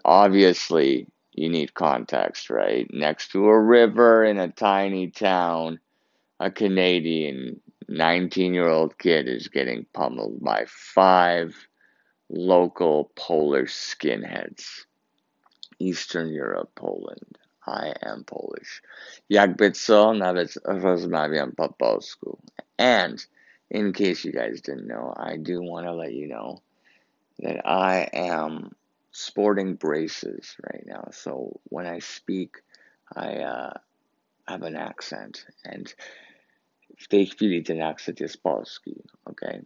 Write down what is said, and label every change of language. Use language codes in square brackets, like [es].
[en] Obviously, you need context, right? Next to a river in a tiny town, a Canadian 19-year-old kid is getting pummeled by five local Polish skinheads. Eastern Europe, Poland. I am Polish. [pl] Jak by co, nawet rozmawiam po polsku. [en] And in case you guys didn't know, I do want to let you know that I am sporting braces right now. So when I speak, I have an accent. [pl] And w tej chwili ten akcent jest polski, okay?